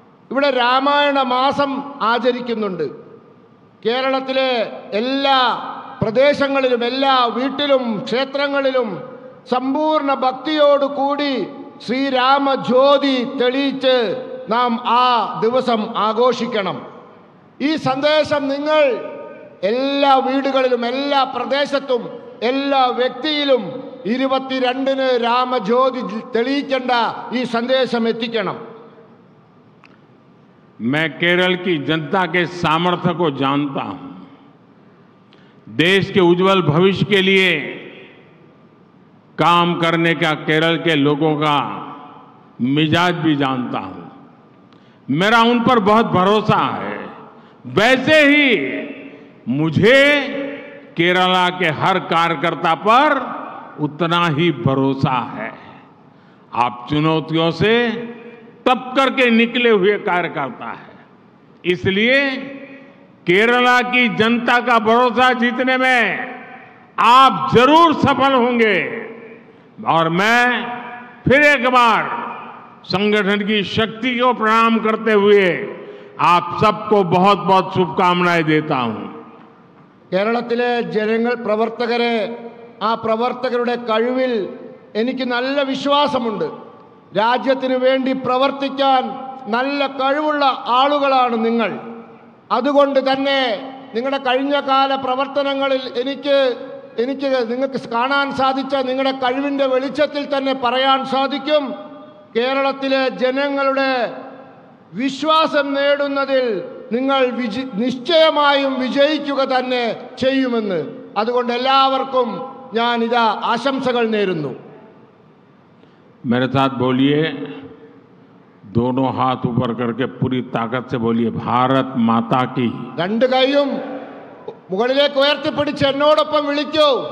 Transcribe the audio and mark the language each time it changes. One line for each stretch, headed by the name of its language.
Malayalam: ഇവിടെ രാമായണ മാസം ആചരിക്കുന്നുണ്ട്. കേരളത്തിലെ എല്ലാ പ്രദേശങ്ങളിലും എല്ലാ വീട്ടിലും ക്ഷേത്രങ്ങളിലും സമ്പൂർണ്ണ ഭക്തിയോടുകൂടി ശ്രീരാമജ്യോതി തെളിയിച്ച് നാം ആ ദിവസം ആഘോഷിക്കണം. ഈ സന്ദേശം നിങ്ങൾ എല്ലാ വീടുകളിലും എല്ലാ പ്രദേശത്തും എല്ലാ വ്യക്തിയിലും 22 രാമജ്യോതി തെളിയിക്കേണ്ട ഈ സന്ദേശം എത്തിക്കണം.
Hindi: मैं केरल की जनता के सामर्थ्य को जानता हूं. देश के उज्जवल भविष्य के लिए काम करने का केरल के लोगों का मिजाज भी जानता हूं. मेरा उन पर बहुत भरोसा है. वैसे ही मुझे केरला के हर कार्यकर्ता पर उतना ही भरोसा है. आप चुनौतियों से तप करके निकले हुए कार्यकर्ता है. इसलिए केरला की जनता का भरोसा जीतने में आप जरूर सफल होंगे. और मैं फिर एक बार संगठन की शक्ति को प्रणाम करते हुए आप सबको बहुत बहुत शुभकामनाएं देता हूं.
Malayalam: കേരളത്തിലെ ജനങ്ങൾ പ്രവർത്തകരെ ആ പ്രവർത്തകരുടെ കഴിവിൽ എനിക്ക് നല്ല വിശ്വാസമുണ്ട്. രാജ്യത്തിന് വേണ്ടി പ്രവർത്തിക്കാൻ നല്ല കഴിവുള്ള ആളുകളാണ് നിങ്ങൾ. അതുകൊണ്ട് തന്നെ നിങ്ങളുടെ കഴിഞ്ഞ കാല പ്രവർത്തനങ്ങളിൽ എനിക്ക് നിങ്ങൾക്ക് കാണാൻ സാധിച്ച നിങ്ങളുടെ കഴിവിൻ്റെ വെളിച്ചത്തിൽ തന്നെ പറയാൻ സാധിക്കും, കേരളത്തിലെ ജനങ്ങളുടെ വിശ്വാസം നേടുന്നതിൽ നിങ്ങൾ നിശ്ചയമായും വിജയിക്കുക തന്നെ ചെയ്യുമെന്ന്. അതുകൊണ്ട് എല്ലാവർക്കും ഞാൻ ഇതാ ആശംസകൾ നേരുന്നു.
Hindi: मेरे साथ बोलिए, दोनों हाथ ऊपर करके पूरी ताकत से बोलिए, भारत माता की.
Malayalam: രണ്ട് കൈയും മുകളിലേക്ക് ഉയർത്തിപ്പിടിച്ച് എന്നോടൊപ്പം വിളിക്കൂ,